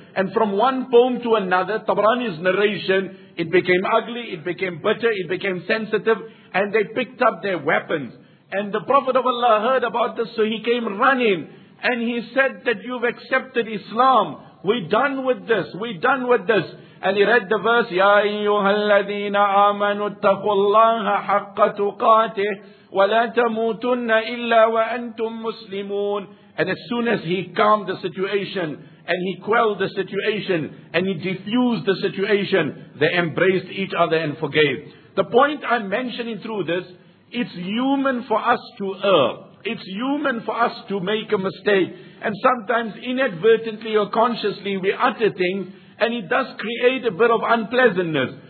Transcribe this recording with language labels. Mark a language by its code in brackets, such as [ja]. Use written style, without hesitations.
[en] And from one poem to another, Tabrani's narration, it became ugly, it became bitter, it became sensitive, and they picked up their weapons. And the Prophet of Allah heard about this, so he came running. And he said that you've accepted Islam. We're done with this. We're done with this. And he read the verse, [ar] يَا أَيُّهَا الَّذِينَ آمَنُوا اتَّقُوا اللَّهَ حَقَّ تُقَاتِهِ وَلَا تَمُوتُنَّ إِلَّا وَأَنْتُم مُسْلِمُونَ. [en] And as soon as he calmed the situation, and he quelled the situation, and he diffused the situation, they embraced each other and forgave. The point I'm mentioning through this, it's human for us to err. It's human for us to make a mistake. And sometimes inadvertently or consciously we utter things, and it does create a bit of unpleasantness.